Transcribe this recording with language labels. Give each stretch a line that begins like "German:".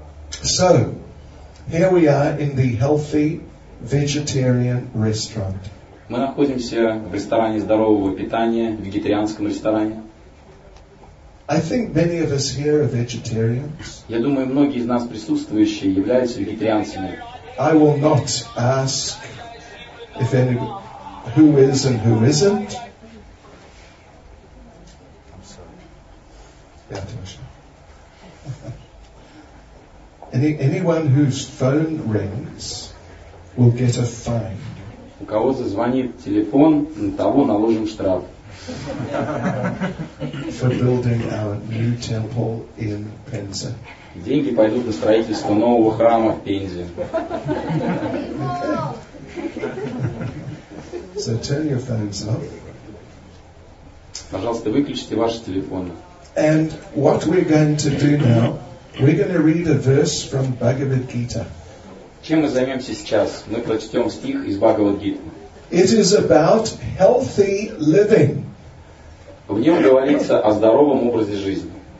English: So, here we are in the healthy vegetarian restaurant.
Russian: Мы находимся в ресторане здорового питания, вегетарианском ресторане.
English: I think many of us here are vegetarians.
Russian: Я думаю, многие из нас присутствующие являются вегетарианцами.
English: I will not ask if any who is and who isn't. I'm sorry. Yeah, Tasha. Anyone whose phone rings will get a fine.
Russian: У кого зазвонит телефон, на того наложим штраф.
English: For building our new temple in Penza.
Russian: Деньги пойдут на строительство нового храма в Пензе.
English: So turn your phones off.
Russian: Пожалуйста, выключите ваши телефоны.
English: And what we're going to do now, we're going to read a verse from Bhagavad Gita.
Russian: Чем мы займемся сейчас? Мы прочтем стих из Бхагавад-гиты.
English: It is about healthy living.
Russian: В нем говорится о здоровом образе жизни.